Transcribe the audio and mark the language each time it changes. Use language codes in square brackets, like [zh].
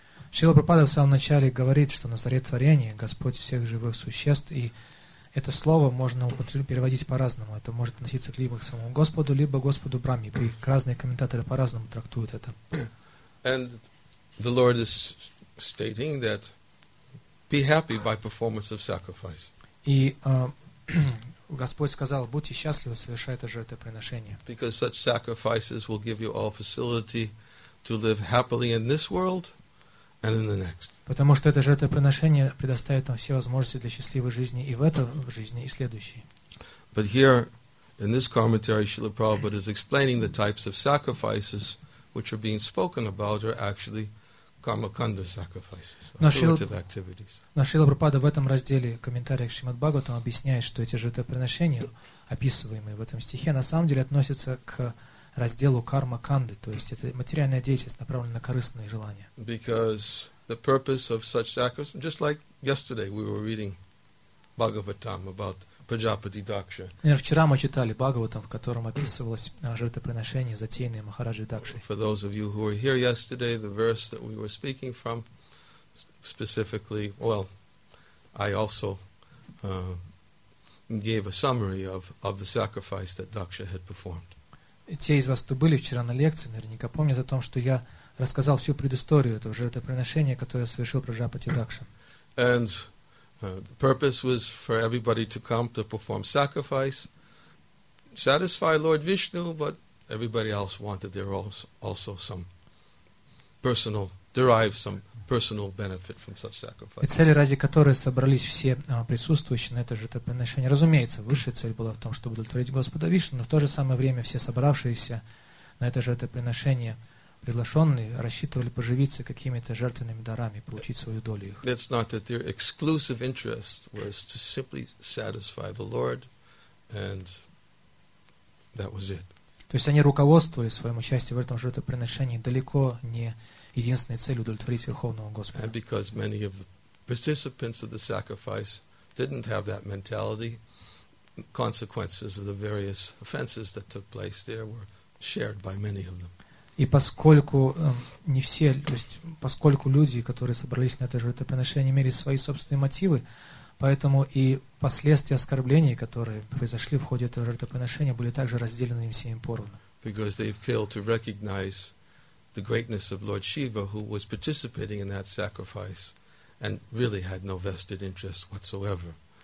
[ru] Шрила Прабхупада в самом начале говорит, что на заре творения Господь всех живых существ, и это слово можно переводить по-разному. Это может относиться либо к самому Господу, либо к Господу Брахме. И разные комментаторы по-разному трактуют это. [en] And the Lord is stating that be happy by performance of sacrifice. [ru] И Господь сказал, будьте счастливы, совершая это жертвоприношение. [en] Because such sacrifices will give you all facility to live happily in this world. And in the next. [ru] Потому что это жертвоприношение предоставит нам все возможности для счастливой жизни и в этой жизни, и в следующей. [en] But here, in this commentary, Srila Prabhupada is explaining the types of sacrifices which are being spoken about are actually karmakanda sacrifices, affirmative activities. [ru] Но Шрила Прабхупада в этом разделе комментария к Шримад-Бхагаватам объясняет, что эти жертвоприношения, описываемые в этом стихе, на самом деле относятся к разделу карма-канды, то есть это материальная деятельность, направленная на корыстные желания. [en] Because the purpose of such sacrifice, just like yesterday we were reading Bhagavatam about Prajapati Daksha. [ru] Например, вчера мы читали Бхагаватам, в котором описывалось жертвоприношение, затеянное Махараджи Дакшей. [en] For those of you who were here yesterday, the verse that we were speaking from specifically, well, I also gave a summary of the sacrifice that Daksha had performed. [ru] Те из вас, кто были вчера на лекции, наверняка помнят о том, что я рассказал всю предысторию этого жертвоприношения, которое совершил Праджапати Дакша. [en] And the purpose was for everybody to come to perform sacrifice, satisfy Lord Vishnu, but everybody else wanted their also some personal, derive some personal benefit from such sacrifice. [ru] И цели, ради которой собрались все присутствующие на это жертвоприношение. Разумеется, высшая цель была в том, чтобы удовлетворить Господа Вишну, но в то же самое время все собравшиеся на это жертвоприношение приглашенные рассчитывали поживиться какими-то жертвенными дарами, получить свою долю их. [en] It's not that their exclusive interest was to simply satisfy the Lord, and that was it. [ru] То есть они руководствовали своим участием в этом жертвоприношении далеко не единственной целью — удовлетворить Верховного Господа. [en] And because many of the participants of the sacrifice didn't have that mentality, consequences of the various offenses that took place there were shared by many of them. [ru] И поскольку не все, то есть поскольку люди, которые собрались на это жертвоприношение, имели свои собственные мотивы, поэтому и последствия оскорблений, которые произошли в ходе этого жертвоприношения, были также разделены им всеми поровну. [en] Because they failed to recognize the greatness of Lord Shiva, who was participating in that sacrifice, and really had no vested interest whatsoever.